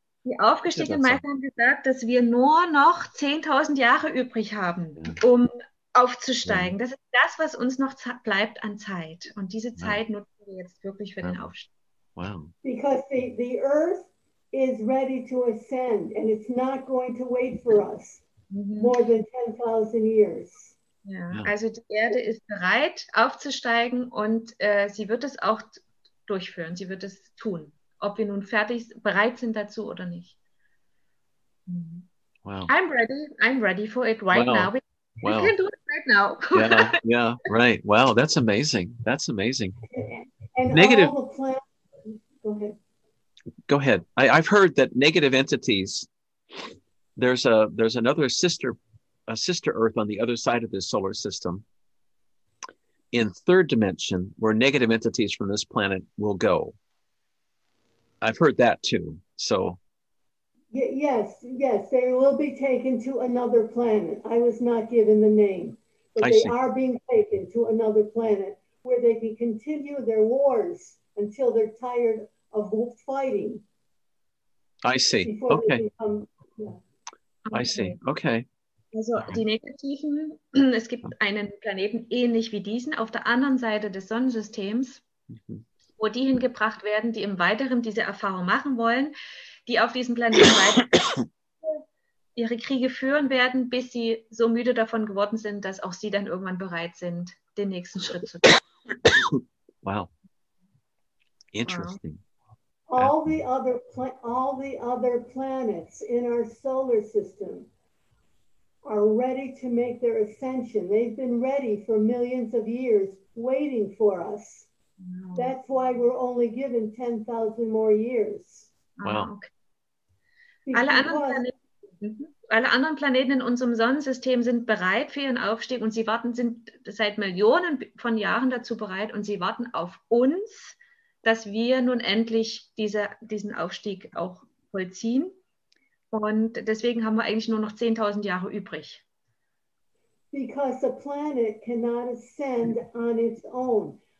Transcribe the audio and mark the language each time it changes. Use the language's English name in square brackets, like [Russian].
[German] Die aufgestiegenen Meister haben gesagt, dass wir nur noch 10,000 Jahre übrig haben, um aufzusteigen. Das ist das, was uns noch bleibt an Zeit. Und diese Zeit nutzen wir jetzt wirklich für den Aufstieg. [English] Wow. Because the earth is ready to ascend and it's not going to wait for us more than 10,000 years. [German] Ja, also die Erde ist bereit aufzusteigen und sie wird es auch durchführen. Sie wird es tun, ob wir nun fertig bereit sind dazu oder nicht. [English] Wow. I'm ready for it right wow. now. Wow. We can do it right now. yeah, right. Wow, that's amazing. That's amazing. And negative. All the plants. Go ahead. I've heard that negative entities, there's another sister Earth on the other side of this solar system in third dimension where negative entities from this planet will go. I've heard that too. So. Yes, they will be taken to another planet. I was not given the name, but they are being taken to another planet where they can continue their wars until they're tired of fighting. I see. Okay. I see. Okay. [German] Also die Negativen, es gibt einen Planeten ähnlich wie diesen auf der anderen Seite des Sonnensystems, wo die hingebracht werden, die im Weiteren diese Erfahrung machen wollen, die auf diesem Planeten weiter ihre Kriege führen werden, bis sie so müde davon geworden sind, dass auch sie dann irgendwann bereit sind, den nächsten Schritt zu tun. [English] Wow. Interesting. All the other planets in our solar system are ready to make their ascension. They've been ready for millions of years waiting for us. Wow. That's why we're only given 10,000 more years. Wow. [German] Alle anderen Planeten in unserem Sonnensystem sind bereit für ihren Aufstieg und sie warten, sind seit Millionen von Jahren dazu bereit und sie warten auf uns, dass wir nun endlich diesen Aufstieg auch vollziehen. Und deswegen haben wir eigentlich nur noch 10,000 Jahre übrig. [English] Because the planet cannot ascend on its own.